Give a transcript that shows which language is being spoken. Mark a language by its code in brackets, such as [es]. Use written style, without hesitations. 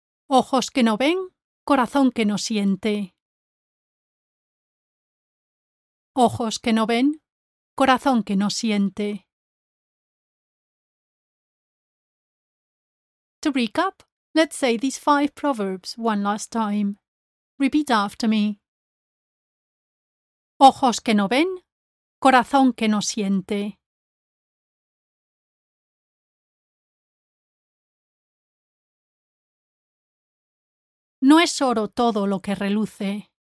[es] Ojos que no ven, corazón que no siente. Ojos que no ven, corazón que no siente. [en] To recap, let's say these five proverbs one last time. Repeat after me. [es] Ojos que no ven, corazón que no siente. No es oro todo lo que reluce.